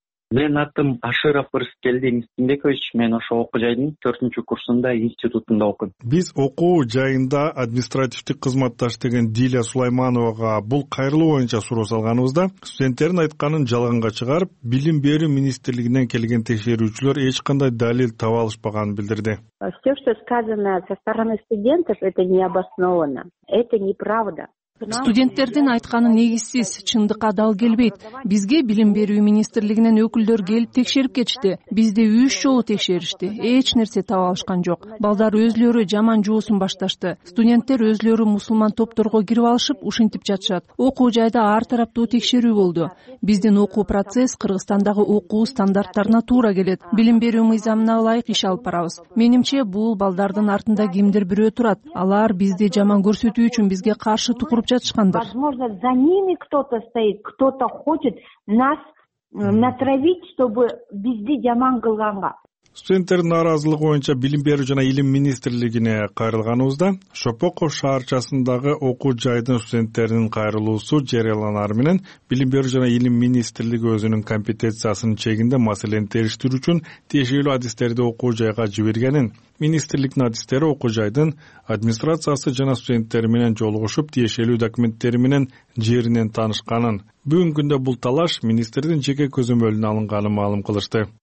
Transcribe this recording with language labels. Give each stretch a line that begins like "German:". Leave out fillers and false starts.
Kyrgyz: Менин атым Ашыров Ырыскелди Мистинбекович, мен ошо окуу жайдын 4-нчү курсунда институтунда окуйм. Биз окуу жайында административдик кызматташ деген Диля Сулаймановага бул кайрылуу боюнча суроо салганыбызда, студенттердин айтканын жалганга чыгарып, Билим берүү министрлигинен келген текшерүүчүлөр эч кандай далил таба алышпаганын билдирди.
Russian: Все, что сказано со стороны студентов, это не обосновано, это неправда.
Kyrgyz: Студенттердин айтканы негизсиз, чындыкка дал келбейт. Бизге Билим берүү министрлигинен өкүлдөр келип текшерип кетишти. Бизди 3 жолу текшеришти. Эч нерсе таба алышкан жок. Балдар өзлөрү жаман жоосун башташты. Студенттер өзлөрү мусулман топторго кирип алышып, ушинтип жатышат. Окуу жайда ар тараптуу текшерүү болду. Биздин окуу процесс Кыргызстандагы окуу стандарттарына туура келет. Билим берүү мыйзамына ылайык иш алып барабыз. Менимче, бул балдардын артында кимдир бирөө турат. Алар бизди жаман көрсөтүү үчүн бизге каршы куруп жатышкандыр.
Russian: Возможно, за ними кто-то стоит, кто-то хочет нас натравить, чтобы
Kyrgyz: бизди жаман кылганга. Студенттердин нааразылыгы боюнча Билим берүү жана Илим министрлигине кайрылганыбызда, Шопокко шаарчасындагы окуу жайдын студенттеринин кайрылуусу жарыяланар менен Билим берүү жана Илим министрлиги өзүнүн компетенциясынын чегинде маселени териштирүү үчүн тиешелүү адистерди окуу жайга жибергенин, министрликтин адистери окуу жайдын администрациясы жана студенттери менен жолугушуп, тиешелүү документтери менен жеринен таанышканын, бүгүнкү күндө бул талаш министрдин жеке көзөмөлүнө алынганын маалым кылышты.